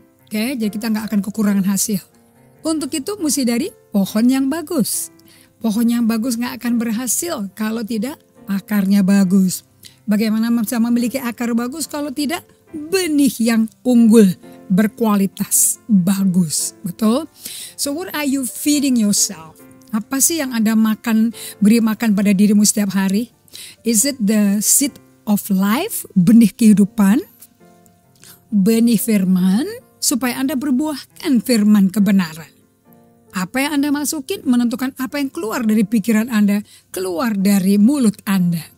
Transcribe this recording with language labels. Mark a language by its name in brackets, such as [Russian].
[Indonesian] Oke, jadi kita gak akan kekurangan hasil. Untuk itu mesti dari pohon yang bagus. Pohon yang bagus gak akan berhasil kalau tidak akarnya bagus. Bagaimana bisa memiliki akar bagus kalau tidak benih yang unggul, berkualitas, bagus, betul? [English] So what are you feeding yourself? [Indonesian] Apa sih yang Anda makan, beri makan pada dirimu setiap hari? [English] Is it the seed of life, [Indonesian] benih kehidupan, benih firman, supaya Anda berbuahkan firman kebenaran? Apa yang Anda masukin menentukan apa yang keluar dari pikiran Anda, keluar dari mulut Anda.